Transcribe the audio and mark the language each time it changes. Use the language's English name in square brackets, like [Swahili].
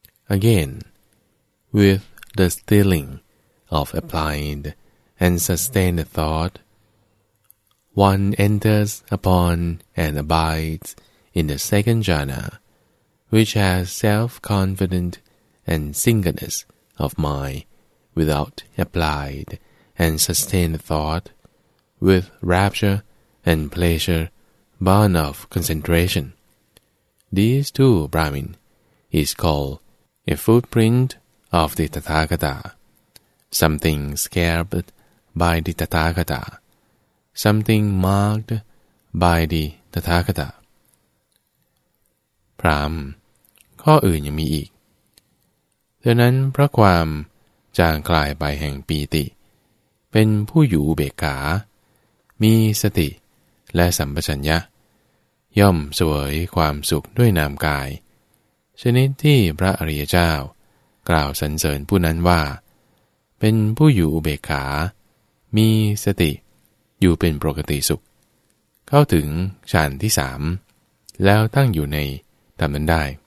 [English] Again, with the stilling of applied and sustained thought, one enters upon and abides in the second jhana, which has self-confident and singleness of mind without applied and sustained thought, with rapture and pleasure born of concentration. These two, Brahmin, is called a footprint of the Tathagata, something scarred by the Tathagata, something marked by the Tathagata. [Thai] พราหมณ์ข้ออื่นยังมีอีกดังนั้นเพราะความจางคลายไปแห่งปีติเป็นผู้อยู่เบกขา มีสติและสัมปชัญญะย่อมเสวยความสุขด้วยนามกายชนิดที่พระอริยเจ้ากล่าวสรรเสริญผู้นั้นว่าเป็นผู้อยู่อุเบกขามีสติอยู่เป็นปกติสุขเข้าถึงฌานที่สามแล้วตั้งอยู่ในธรรมนั้นได้